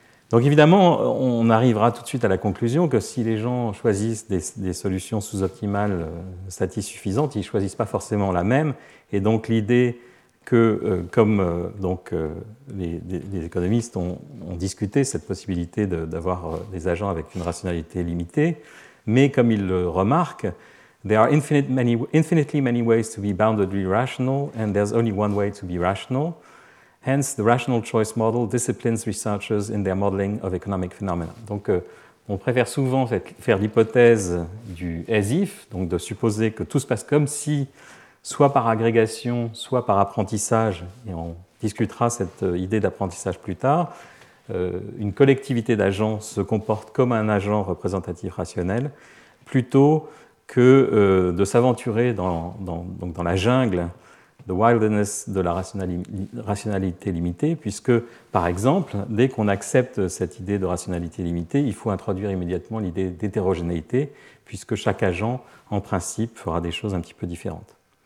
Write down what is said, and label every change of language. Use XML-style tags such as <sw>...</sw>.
<fr>Donc évidemment, on arrivera tout de suite à la conclusion que si les gens choisissent des solutions sous-optimales satisfaisantes, ils ne choisissent pas forcément la même, et donc l'idée que, comme donc, les économistes ont discuté cette possibilité d'avoir des agents avec une rationalité limitée, mais comme ils le remarquent,</fr> <en>there are infinitely many ways to be boundedly rational, and there's only one way to be rational. Hence, the rational choice model disciplines researchers in their modeling of economic phenomena.</en> <fr>Donc, on préfère souvent faire l'hypothèse du as-if, donc de supposer que tout se passe comme si, soit par agrégation, soit par apprentissage, et on discutera cette idée d'apprentissage plus tard, une collectivité d'agents se comporte comme un agent représentatif rationnel, plutôt que de s'aventurer dans la jungle,</fr> <en>the wilderness</en> <fr>de la rationalité limitée, puisque, par exemple, dès qu'on accepte cette idée de rationalité limitée, il faut introduire immédiatement l'idée d'hétérogénéité, puisque chaque agent, en principe, fera des choses un petit peu différentes.</fr>